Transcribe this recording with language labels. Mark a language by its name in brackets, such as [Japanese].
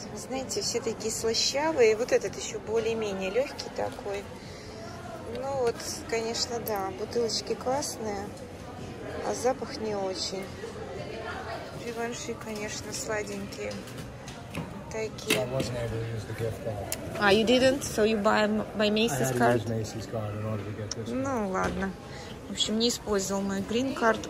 [Russian] Знаете, все такие слащавые. Вот этот еще более-менее легкий такой. Ну вот, конечно, да, бутылочки классные, а запах не очень. Givenchy, конечно, сладенькие. Вот такие. [English] I wasn't able to use the gift card. А, you didn't? So you buy my Macy's card? I had to use Macy's card in order to get this one. [Russian] Ну, ладно. В общем, не использовал мою green card.